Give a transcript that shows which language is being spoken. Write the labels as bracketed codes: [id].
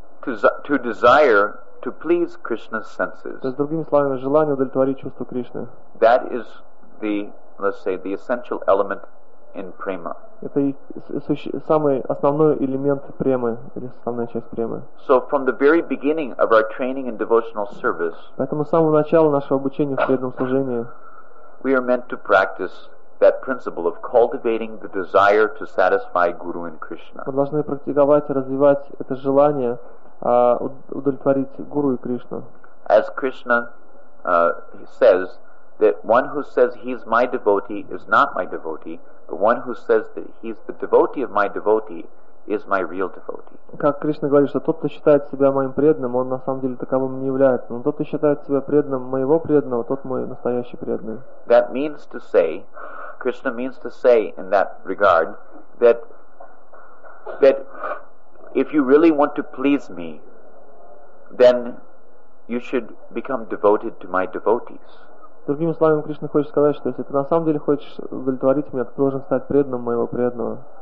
[en] To desire to please Krishna's senses. [ru] То есть другими словами, желание удовлетворить чувства Кришны. [en] That is the, let's say, the essential element in prema. [ru] Это самый основной элемент премы, или основная часть премы. [en] So from the very beginning of our training in devotional service, [ru] поэтому с самого начала нашего обучения в преданном служении, [en] we are meant to practice that principle of cultivating the desire to satisfy Guru and Krishna. [ru] Мы должны практиковать и развивать это желание удовлетворить Гуру и Кришну. [en] As Krishna says, that one who says he's my devotee is not my devotee, but one who says that he's the devotee of my devotee is my real devotee. [ru] Как Кришна говорит, что тот, кто считает себя моим преданным, он на самом деле таковым не является. Но тот, кто считает себя преданным моего преданного, тот мой настоящий преданный. [en] That means to say, Krishna means to say in that regard, that if you really want to please me, then you should become devoted to my devotees. [ru] Другими словами, Кришна хочет сказать, что если ты на самом деле хочешь удовлетворить меня, ты должен стать преданным моего преданного.